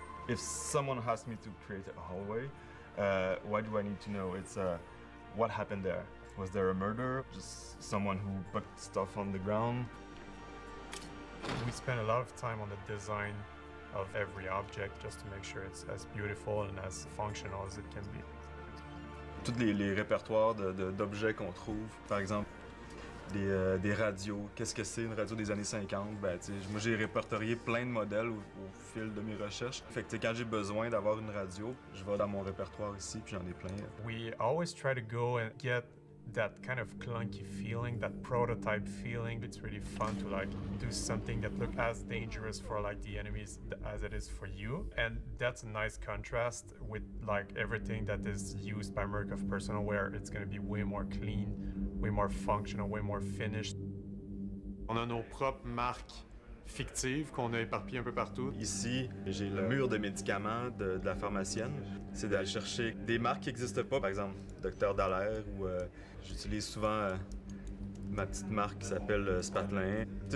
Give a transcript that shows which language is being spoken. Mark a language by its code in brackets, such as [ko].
[en] If someone asked me to create a hallway, why do I need to know? It's what happened there? Was there a murder? Just someone who put stuff on the ground? We spent a lot of time on the design of every object just to make sure it's as beautiful and as functional as it can be. [fr] Tous les répertoires d'objets qu'on trouve, par exemple, des radios. Qu'est-ce que c'est une radio des années 50? Ben, tu sais, moi, j'ai répertorié plein de modèles au fil de mes recherches. Fait que, tu sais, quand j'ai besoin d'avoir une radio, je vais dans mon répertoire ici, puis j'en ai plein. [en] We always try to go and get that kind of clunky feeling, that prototype feeling. It's really fun to like do something that looks as dangerous for like the enemies as it is for you. And that's a nice contrast with like everything that is used by Merc of Personal, where it's gonna be way more clean, way more functional, way more finished. [fr] On a nos propres marques fictives qu'on a éparpillées un peu partout. Ici, j'ai le mur de médicaments de la pharmacienne. C'est d'aller chercher des marques qui n'existent pas, par exemple, Docteur Dallaire, ou j'utilise souvent ma petite marque qui s'appelle Spatelin.